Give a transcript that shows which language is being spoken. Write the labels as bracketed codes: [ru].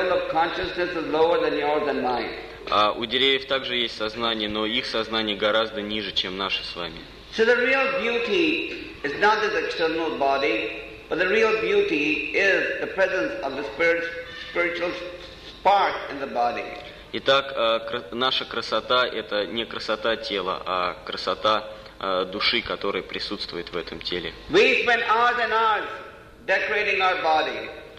[ru] У деревьев также есть сознание, но их сознание гораздо ниже, чем наше с вами. [en] So the real beauty is not this external body, but the real beauty is the presence of the spiritual spark in the body. [ru] Итак, наша красота – это не красота тела, а красота души, которая присутствует в этом теле. [en] We spend hours and hours decorating our body.